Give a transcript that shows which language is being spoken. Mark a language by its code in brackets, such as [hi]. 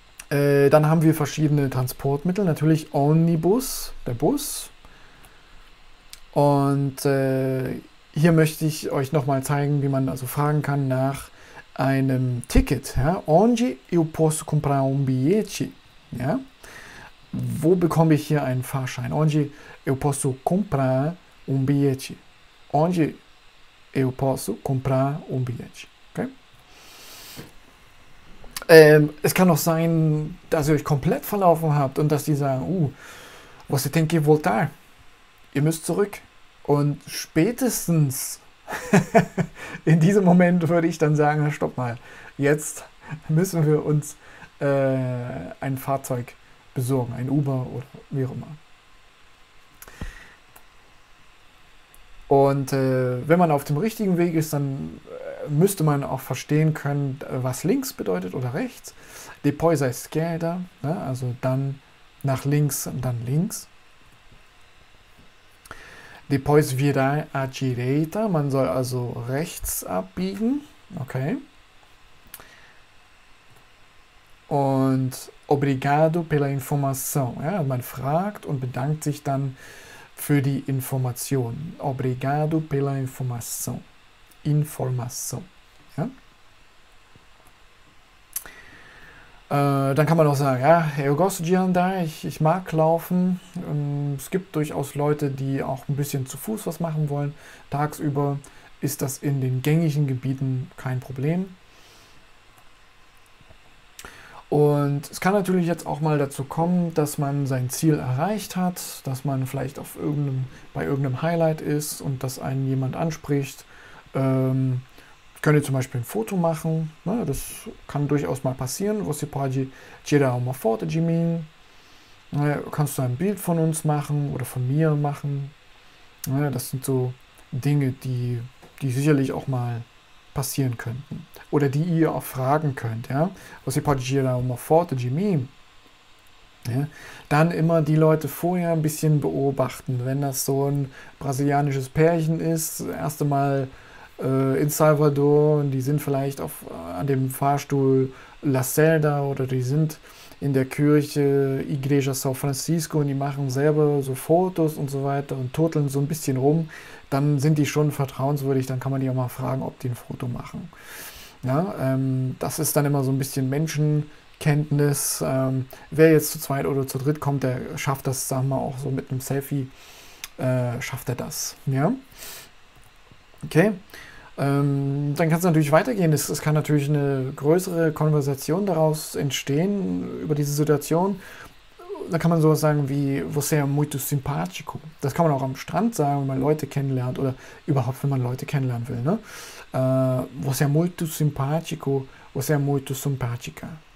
[de] Dann haben wir verschiedene Transportmittel, natürlich Omnibus, der Bus. Und hier möchte ich euch nochmal zeigen, wie man also fragen kann nach einem Ticket. Ja? [pt] Onde eu posso comprar bilhete? [de] Ja? Wo bekomme ich hier einen Fahrschein? [pt] Onde eu posso comprar bilhete? Onde eu posso comprar bilhete? Okay? [de] Es kann auch sein, dass ihr euch komplett verlaufen habt und dass die sagen, [pt] você tem que voltar. [de] Ihr müsst zurück. Und spätestens in diesem Moment würde ich dann sagen, stopp mal, jetzt müssen wir uns ein Fahrzeug besorgen, ein Uber oder wie auch immer. Und wenn man auf dem richtigen Weg ist, dann müsste man auch verstehen können, was links bedeutet oder rechts. [pt] Depois a esquerda, ne? [de] Also dann nach links und dann links. [pt] Depois virar à direita. [de] Man soll also rechts abbiegen. Okay. [pt] Und obrigado pela informação. [de] Ja, man fragt und bedankt sich dann für die Information. [pt] Obrigado pela informação. Informação. Ja. [de] Dann kann man auch sagen, ja, [pt] eu gosto de andar, [de] ich mag laufen. Es gibt durchaus Leute, die auch ein bisschen zu Fuß was machen wollen. Tagsüber ist das in den gängigen Gebieten kein Problem. Und es kann natürlich jetzt auch mal dazu kommen, dass man sein Ziel erreicht hat, dass man vielleicht auf bei irgendeinem Highlight ist und dass einen jemand anspricht. Könnt ihr zum Beispiel ein Foto machen? Ne? Das kann durchaus mal passieren. [pt] Você pode tirar uma foto de mim? [de] Ne? Kannst du ein Bild von uns machen oder von mir machen? Ne? Das sind so Dinge, die sicherlich auch mal passieren könnten oder die ihr auch fragen könnt, ja. Was ihr da immer forte Jimmy, dann immer die Leute vorher ein bisschen beobachten, wenn das so ein brasilianisches Pärchen ist, erste Mal in Salvador und die sind vielleicht an dem Fahrstuhl La Celda oder die sind in der Kirche Igreja São Francisco und die machen selber so Fotos und so weiter und turteln so ein bisschen rum, dann sind die schon vertrauenswürdig, dann kann man die auch mal fragen, ob die ein Foto machen. Ja, das ist dann immer so ein bisschen Menschenkenntnis. Wer jetzt zu zweit oder zu dritt kommt, der schafft das, sagen wir auch so mit einem Selfie, schafft er das. Ja? Okay. Dann kann es natürlich weitergehen. Es kann natürlich eine größere Konversation daraus entstehen über diese Situation. Da kann man sowas sagen wie, [pt] você é muito simpático. [de] Das kann man auch am Strand sagen, wenn man Leute kennenlernt oder überhaupt, wenn man Leute kennenlernen will. Ne? [pt] Você é muito simpático, você é muito simpática.